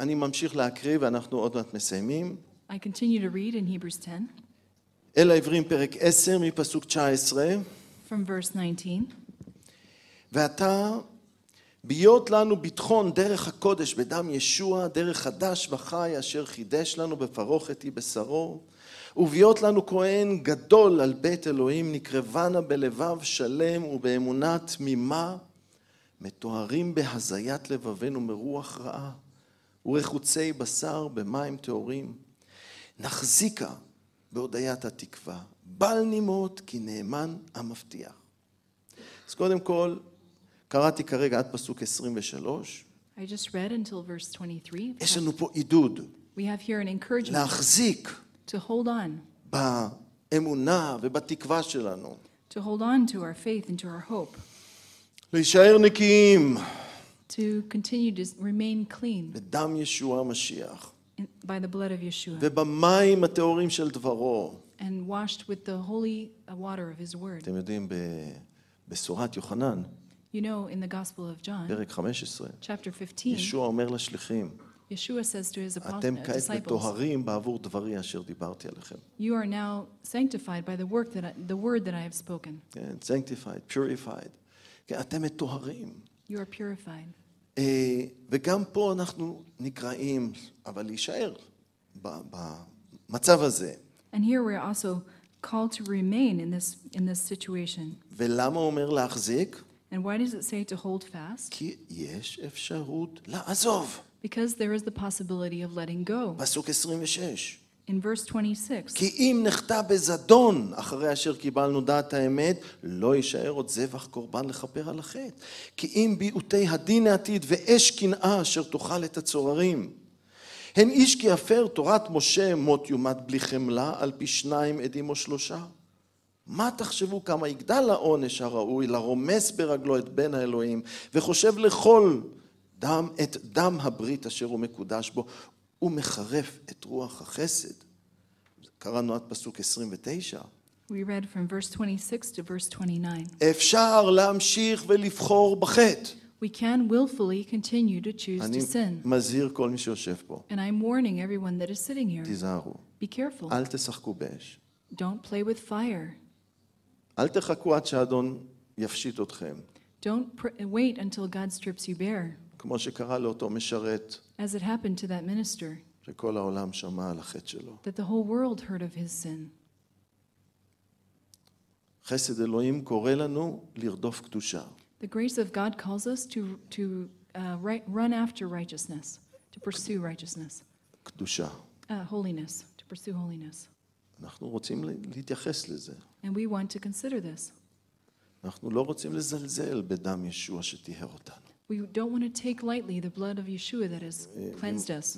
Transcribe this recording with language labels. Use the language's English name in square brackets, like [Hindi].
[Hebrew] אני ממשיך להקריא ואנחנו עוד מעט מסיימים. [English] I continue to read in Hebrews 10. [Hebrew] אל העברים פרק 10 מפסוק 19. [English] From verse 19. [Hebrew] ואתה ביות לנו ביטחון דרך הקודש בדם ישוע, דרך חדש וחי אשר חידש לנו בפרוכת בשרו, וביות לנו כהן גדול על בית אלוהים, נקרבנה בלבב שלם ובאמונה תמימה, מתוארים בהזיית לבבנו מרוח רעה, ורחוצי בשר במים תאורים, נחזיקה בהודיית התקווה, בל נימות כי נאמן המבטיח. אז קודם כל, קראתי כרגע עד פסוק 23. [English] I just read until verse 23. [Hebrew] יש לנו פה עידוד. [English] We have here an encouragement. [Hebrew] להחזיק. [English] To hold on. [Hebrew] באמונה ובתקווה שלנו. [English] To hold on to our faith and to our hope. [Hebrew] להישאר נקיים. [English] To continue to remain clean. [Hebrew] בדם ישוע המשיח. [English] By the blood of Yeshua. [Hebrew] ובמים הטהורים של דברו. [English] And washed with the holy water of his word. [Hebrew] אתם יודעים בבשורת יוחנן. [English] You know in the Gospel of John chapter 15 [Hebrew] Yeshua אומר לשליחים [English] Yeshua says to his apostles [Hebrew] אתם מטוהרים בעבור דברי אשר דיברתי עליכם [English] You are now sanctified by the word that I have spoken sanctified purified [Hebrew] כי אתם מטוהרים [English] You are purified [Hebrew] וגם פה אנחנו נקראים אבל להישאר במצב הזה [English] And here we are also called to remain in this situation [Hebrew] ולמה אומר להחזיק [English] And why does it say to hold fast? [Hebrew] כי יש אפשרות לעזוב. [English] Because there is the possibility of letting go. [Hebrew] פסוק 26. [English] In verse 26. [Hebrew] כי אם נחטא בזדון אחרי אשר קיבלנו דעת האמת, לא יישאר עוד זבח קורבן לכפר על החטא. כי אם ביעוטי הדין העתיד ואש קנאה אשר תאכל את הצוררים. הן איש כי אפר תורת משה מות יומת בלי חמלה על פי שניים עדים או שלושה. מה תחשבו כמה יגדל העונש הראוי לרומס ברגלו את בן האלוהים וחושב לכל דם את דם הברית אשר הוא מקודש בו ומחרף את רוח החסד קראנו עד פסוק 29 [English] We read from verse 26 to verse 29 [Hebrew] אפשר להמשיך ולבחור בחטא [English] We can willfully continue to choose to sin [Hebrew] אני מזהיר כל מי שיושב פה [English] And I'm warning everyone that is sitting here [Hebrew] תיזהרו [English] Be careful [Hebrew] אל תשחקו באש [English] Don't play with fire [Hebrew] אל תחכו עד שאדון יפשיט אתכם. [English] Don't wait until God strips you bare. [Hebrew] כמו שקרה לאותו משרת. [English] As it happened to that minister. [Hebrew] שכל העולם שמע על החטא שלו. [English] That the whole world heard of his sin. [Hebrew] חסד אלוהים קורא לנו לרדוף קדושה. [English] The grace of God calls us to run after righteousness, to pursue righteousness. [Hebrew] קדושה. [English] Holiness, to pursue holiness. [Hebrew] אנחנו רוצים להתייחס לזה. [English] And we want to consider this. [Hebrew] אנחנו לא רוצים לזלזל בדם ישוע שטיהר אותנו. [English] We don't want to take lightly the blood of Yeshua that has cleansed us.